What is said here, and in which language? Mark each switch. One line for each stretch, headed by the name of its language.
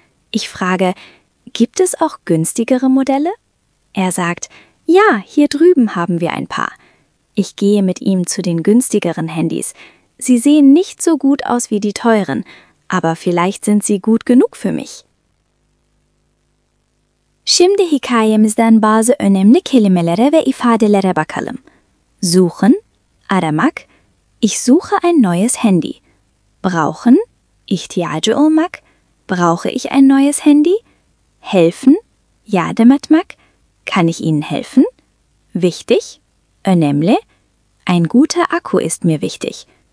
German: Ich frage, gibt es auch günstigere Modelle? Er sagt, ja, hier drüben haben wir ein paar. Ich gehe mit ihm zu den günstigeren Handys. Sie sehen nicht so gut aus wie die teuren, aber vielleicht sind sie gut genug für mich.
Turkish: Şimdi hikayemizden bazı önemli kelimelere ve ifadelere bakalım.
German: Suchen, aramak, ich suche ein neues Handy. Brauchen,
Turkish: ihtiyacı olmak,
German: brauche ich ein neues Handy? Helfen,
Turkish: yardım etmek,
German: kann ich Ihnen helfen? Wichtig, önemli, ein guter Akku ist mir wichtig.